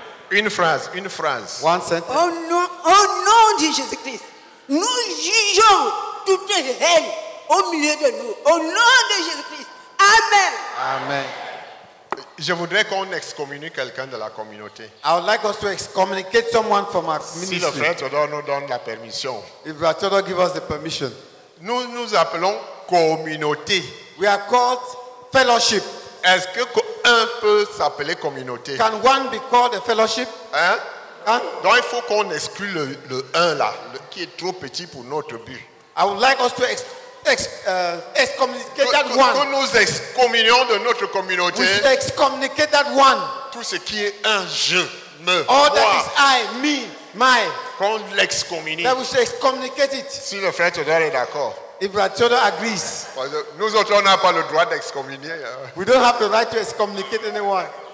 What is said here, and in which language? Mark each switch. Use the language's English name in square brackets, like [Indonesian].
[French] Une phrase. [English] One sentence. [French] Au nom de Jésus-Christ, nous jugeons toute haine au milieu de nous. Au nom de Jésus-Christ. Amen. Amen. Je voudrais qu'on excommunique quelqu'un de la communauté. [English] I would like us to excommunicate someone from our ministry. [French] Si le frère Todor nous donne la permission. [English] If Brother Todor give us the permission. [French] Nous nous appelons communauté. [English] We are called fellowship. [French] Est-ce qu'un peut s'appeler communauté? [English] Can one be called a fellowship? [French] Hein? Donc il faut qu'on exclue le un là, qui est trop petit pour notre but. [English] I would like us to excommunicate that one. [French] Nous excommunions de notre communauté. [English] We should excommunicate that one. [French] Tout ce qui est un jeu. [English] me. All that is I, me, my. [French] Qu'on l'excommunique. [English] That we should excommunicate it. [French] Si le frère Théodore est d'accord. [English] If Brother Théodore agrees. [French] Parce que nous autres, on n'a pas le droit d'excommunier. [English] We don't have the right to excommunicate anyone.